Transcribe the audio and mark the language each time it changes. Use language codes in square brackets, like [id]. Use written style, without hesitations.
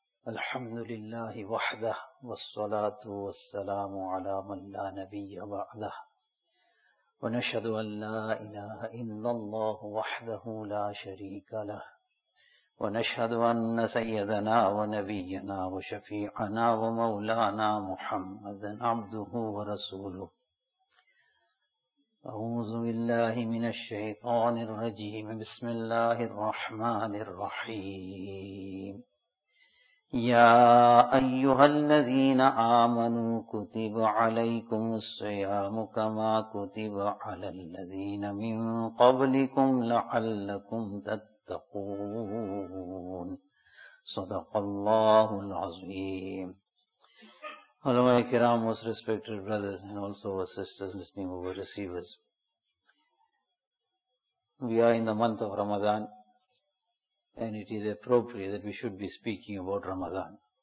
[ar] الحمد للہ وحدہ والصلاة والسلام علی من لا نبی بعدہ، ونشہد ان لا الہ الا اللہ وحدہ لا شریک لہ، ونشہد ان سیدنا ونبینا وشفیعنا ومولانا محمد عبدہ ورسولہ. أعوذ بالله من الشيطان الرجيم، بسم الله الرحمن الرحيم. يا أيها الذين آمنوا كتب عليكم الصيام كما كتب على الذين من قبلكم لعلكم تتقون. صدق الله العظيم. [en] Hello my kiram, most respected brothers and also our sisters listening over receivers. We are in the month of Ramadan and it is appropriate that we should be speaking about Ramadan.